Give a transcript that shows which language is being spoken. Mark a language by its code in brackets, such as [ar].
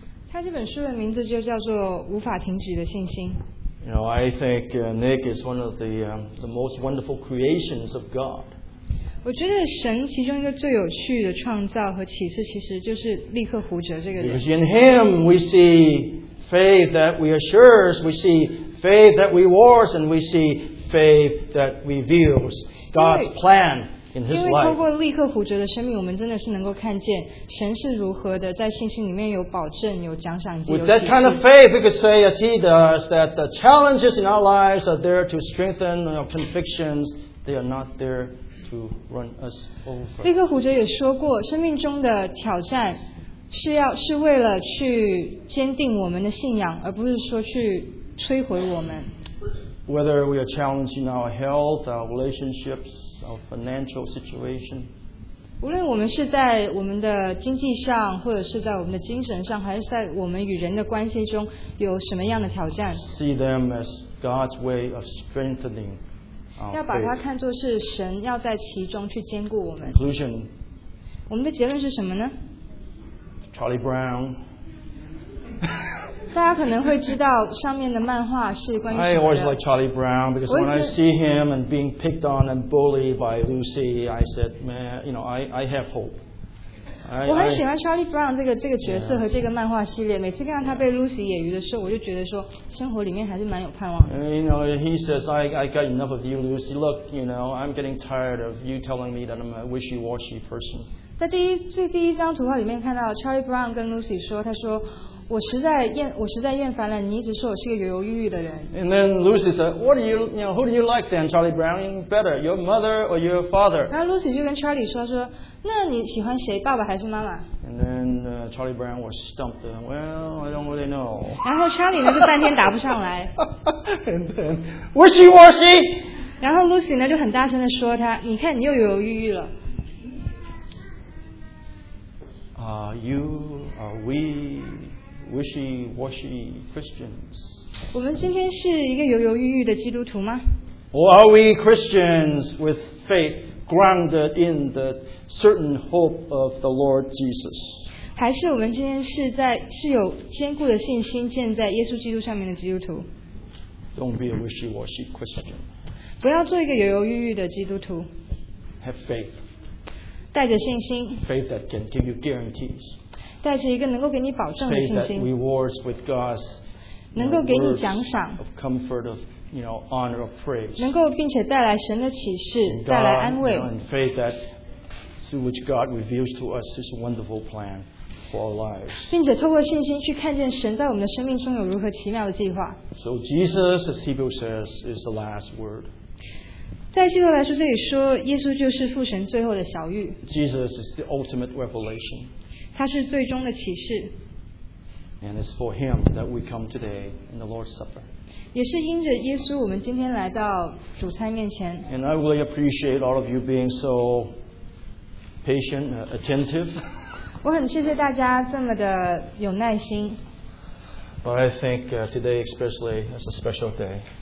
[zh] 他这本书的名字就叫做《无法停止的信心》。 [en] You know, I think Nick is one of the most wonderful creations of God. [zh] 我觉得神其中一个最有趣的创造和启示，其实就是利克胡哲这个人。 [en] Because in him we see faith that reassures, we see faith that rewards, and we see faith that reveals God's plan. [zh] 因为透过利克胡哲的生命，我们真的是能够看见神是如何的在信心里面有保证、有奖赏、有启示。 [en] With that kind of faith, we could say, as he does, that the challenges in our lives are there to strengthen our convictions. They are not there to run us over. [zh] 利克胡哲也说过，生命中的挑战是为了去坚定我们的信仰，而不是说去摧毁我们。 [en] Whether we are challenging our health, our relationships. Our financial situation. [zh] 无论我们是在我们的经济上，或者是在我们的精神上，还是在我们与人的关系中，有什么样的挑战 [en] ？See them as God's way of strengthening our faith. [zh] 要把它看作是神要在其中去坚固我们。 [en] Conclusion. [zh] 我们的结论是什么呢 [en] ？Charlie Brown. [zh] 大家可能会知道上面的漫画是关于什么的。 [en] I always like Charlie Brown because when I see him and being picked on and bullied by Lucy, I said, man, you know, I have hope. [zh] 我很喜欢 Charlie Brown 这个角色和这个漫画系列。每次看到他被 Lucy 揶揄的时候，我就觉得说生活里面还是蛮有盼望的。 [en] You know, he says, I got enough of you, Lucy. Look, you know, I'm getting tired of you telling me that I'm a wishy-washy person. [zh] 在第一张图画里面看到 Charlie Brown 跟 Lucy 说，他说。我实在厌烦了，你一直说我是个犹犹豫豫的人。 [en] And then Lucy said, "What do you, you know, who do you like then, Charlie Browning better, your mother or your father?" [zh] 然后 Lucy 就跟 Charlie 说，那你喜欢谁，爸爸还是妈妈？ [en] And then Charlie Brown was stumped. Well, I don't really know. [zh] 然后 Charlie 呢就半天答不上来。 [en] And then wishy washy. [zh] 然后 Lucy 呢就很大声的说他，你看你又犹犹豫豫了。 [en] Are you, are we wishy-washy Christians? [zh] 我们今天是一个犹犹豫豫的基督徒吗？ [en] Or are we Christians with faith grounded in the certain hope of the Lord Jesus? [zh] 还是我们今天是有坚固的信心建在耶稣基督上面的基督徒？ [en] Don't be a wishy-washy Christian. [zh] 不要做一个犹犹豫豫的基督徒。 [en] Have faith. [zh] 带着信心， [en] faith that can give you guarantees. [zh] 带着一个能够给你保证的信心， [en] faith that rewards with God's, [zh] 能够给你奖赏， [en] of comfort, of, you know, honor, of praise. [zh] 能够并且带来神的启示，带来安慰， [en] and faith that through which God reveals to us His wonderful plan for our lives. [zh] 并且透过信心去看见神在我们的生命中有如何奇妙的计划。 [en] So Jesus, as Hebrews says, is the last word. [zh] 在基督来说，这里说耶稣就是父神最后的晓谕。 [en] Jesus is the ultimate revelation. [zh] 他是最终的启示。 [en] And it's for him that we come today in the Lord's Supper. [zh] 也是因着耶稣，我们今天来到主餐面前。 [en] And I really appreciate all of you being so patient, attentive. [zh] 我很谢谢大家这么的有耐心。 [en] But I think today especially is a special day.